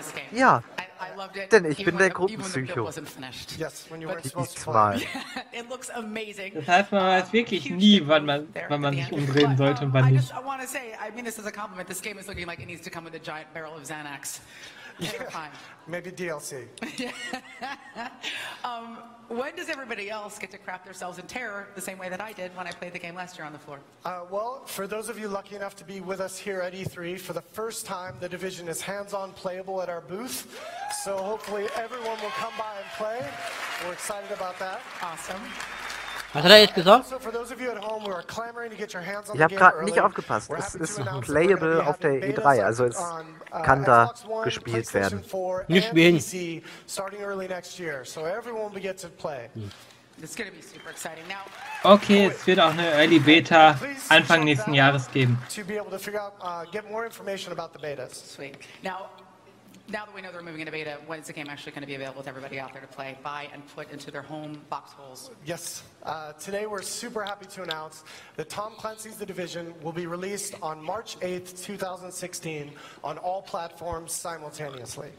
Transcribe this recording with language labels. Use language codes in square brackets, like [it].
[de] Ja, denn ich bin der Gruppenpsycho. Das heißt, man weiß wirklich nie, wann man sich umdrehen sollte und wann nicht. Ich will nur sagen, das ist ein Kompliment. Das Game ist so, wie es mit einem riesigen Barrel von Xanax kommen sollte. Vielleicht DLC. [en] When does everybody else get to crap themselves in terror the same way that I did when I played the game last year on the floor? Well, for those of you lucky enough to be with us here at E3, for the first time, the Division is hands-on playable at our booth. So hopefully everyone will come by and play. We're excited about that. Awesome. [de] Was hat er jetzt gesagt? Also [en] for those of you at home, we are clamoring to get your hands on the game early. [de] Ich hab grad nicht aufgepasst. Es ist playable auf der E3, also es kann da gespielt werden. Nicht spielen. [en] Starting early next year, so everyone will get to play. It's gonna be super exciting. Now, [de] okay, es wird auch eine Early Beta Anfang nächsten Jahres geben. [en] To be able to figure out, get more information about the betas. Sweet. Now that we know they're moving into beta, when is the game actually going to be available to everybody out there to play, buy, and put into their home box holes? Yes. Today we're super happy to announce that Tom Clancy's The Division will be released on March 8th, 2016 on all platforms simultaneously.